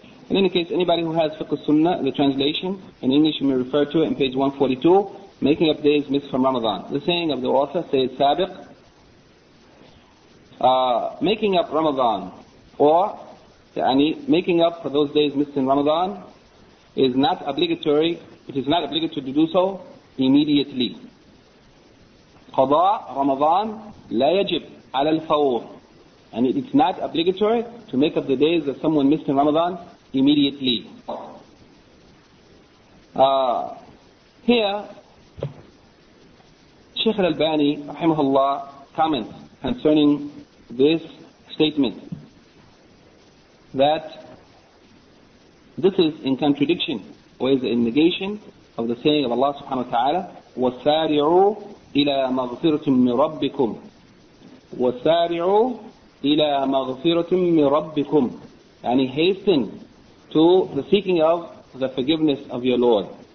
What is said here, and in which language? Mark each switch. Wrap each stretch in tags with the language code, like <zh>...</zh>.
<en>In any case, anybody who has Fiqh al-Sunnah, the translation, in English you may refer to it in page 142, making up days missed from Ramadan. The saying of the author, Sayyid Sabiq, making up Ramadan, or making up for those days missed in Ramadan, is not obligatory. It is not obligatory to do so immediately.</en> <ar>قضاء رمضان لا يجب على الفور.</ar> <en>And it's not obligatory to make up the days that someone missed in Ramadan immediately. Here, Sheikh al-Albani, rahimahullah, comments concerning this statement that this is in contradiction or is in negation of the saying of Allah subhanahu wa ta'ala,</en> <ar>وَسَارِعُوا إِلَى مَغْفِرَةٍ مِّن رَبِّكُمْ</ar> <en>وَسَارِعُوا إِلَى مَغْفِرَةٍ مِّن رَبِّكُمْ and hasten to the seeking of the forgiveness of your Lord.</en>